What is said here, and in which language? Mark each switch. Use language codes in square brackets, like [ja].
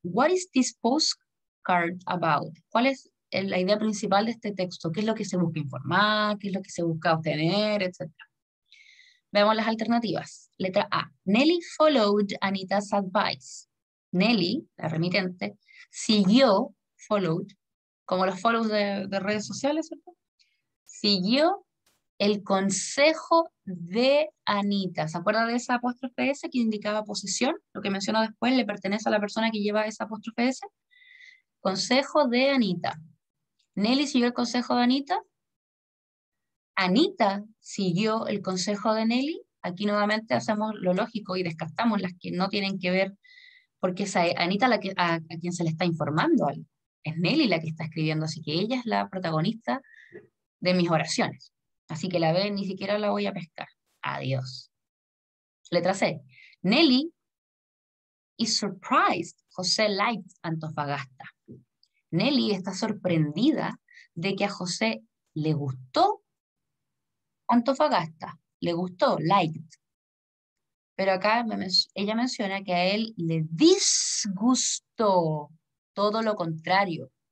[en] What is this postcard about? [es] ¿Cuál es la idea principal de este texto? ¿Qué es lo que se busca informar? ¿Qué es lo que se busca obtener? Etcétera. Veamos las alternativas. Letra A. [en] Nelly followed Anita's advice. [es] Nelly, la remitente, siguió, followed, como los follows de redes sociales, ¿cierto? Siguió el consejo de Anita. ¿Se acuerda de esa apóstrofe S que indicaba posesión? Lo que mencionó después le pertenece a la persona que lleva esa apóstrofe S. Consejo de Anita. Nelly siguió el consejo de Anita. Anita siguió el consejo de Nelly. Aquí nuevamente hacemos lo lógico y descartamos las que no tienen que ver, porque es a Anita la que, a quien se le está informando algo. Es Nelly la que está escribiendo, así que ella es la protagonista de mis oraciones. Así que la ve, ni siquiera la voy a pescar. Adiós. Letra C. [en] Nelly is surprised José liked Antofagasta. [es] Nelly está sorprendida de que a José le gustó Antofagasta. Le gustó, liked. Pero acá ella menciona que a él le disgustó, todo lo contrario.